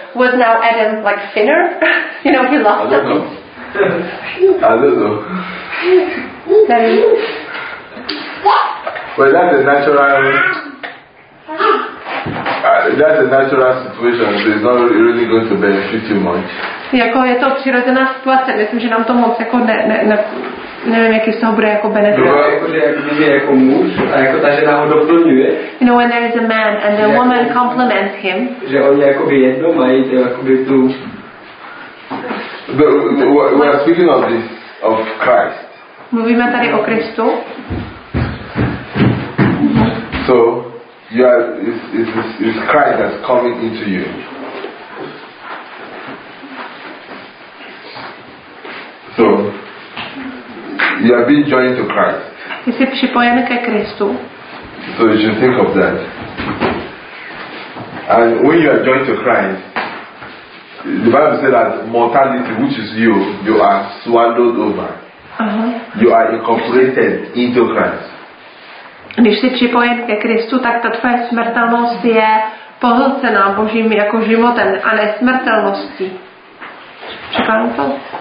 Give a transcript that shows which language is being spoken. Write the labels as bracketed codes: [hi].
[en] Was now Adam like thinner? You know, he lost something. I don't know. Well, that's a natural. That's a natural situation, so it's not really going to benefit you much. [cs] Jako je to přirozená situace, myslím, že nám to moc jako ne nevím, jaký z toho bude jako benefit. Jako, že jako muž, a jako ta žena ho doplňuje. [en] You know, when there is a man and a woman compliments him. [cs] Že oni jako by jedno mají, jako by tu. [en] We are speaking of this, of Christ. [cs] Mluvíme tady o Kristu. [en] So. It's Christ that's coming into you. So, you have been joined to Christ. [cs] Jsi připojen ke Kristu. [en] So you should think of that. And when you are joined to Christ, the Bible says that mortality, which is you, you are swallowed over. Uh-huh. You are incorporated into Christ. [cs] Když jsi připojen ke Kristu, tak ta tvoje smrtelnost je pohlcená Božím jako životem a nesmrtelností. Překládám to?